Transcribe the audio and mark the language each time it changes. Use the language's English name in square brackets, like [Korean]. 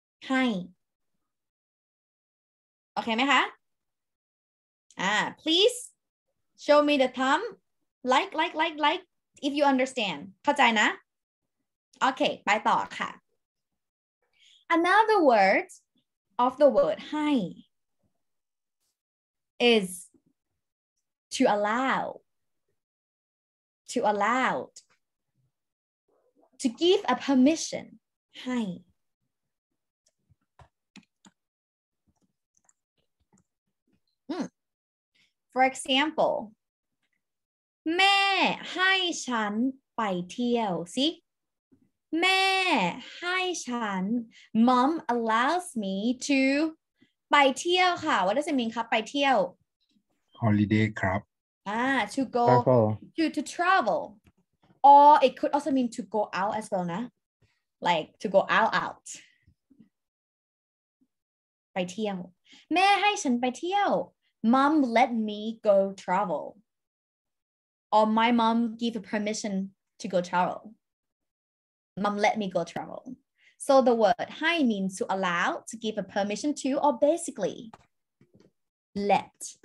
[English] Hi. Okay, [Thai] ไหมคะ? [English] Please show me the thumb. Like, if you understand. [Thai] เข้าใจนะ? Okay, ไปต่อค่ะ. [English] Another word of the word hi is to allow. To allow, to give a permission. Hi. [Thai] For example, แม่ให้ฉันไปเที่ยว [English] See? [Thai] แม่ให้ฉัน [English] Mom allows me to [Thai] ไปเที่ยวค่ะ [English] What does it mean [Thai] ครับไปเที่ยว [English] Holiday ครับ to go to travel or it could also mean to go out as well นะ like to go out [Thai] ไปเที่ยวแม่ให้ฉันไปเที่ยว [English] mom let me go travel or my mom give a permission to go travel mom let me go travel so the word ให้ means to allow to give a permission to or basically let